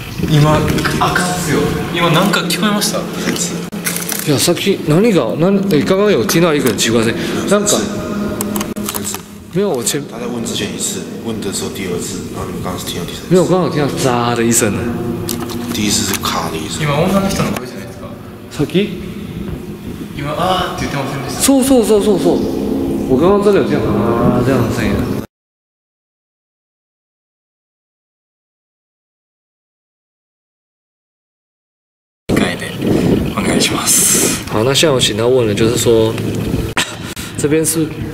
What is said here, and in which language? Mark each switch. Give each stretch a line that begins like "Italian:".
Japanese: 今赤ですよ。今何か聞こえました？いや、さっき何が、何、え、
Chinese: 刚刚有听到一个奇怪声。
Japanese: なんか。
Chinese: 没有，我前。他在问之前一次，问的时候第二次，然后你们刚刚是听到第三次。没有，刚刚听到喳的一声。第一次是卡的一声。
Japanese: 今女の人の声じゃないですか？さっき。今ああって言ってませんでした。そう。
Chinese: 我刚刚真的有听到啊这样的声音。
Japanese: 一回でお願いします。
Chinese: 好，那现在我请他问了，就是说，这边是。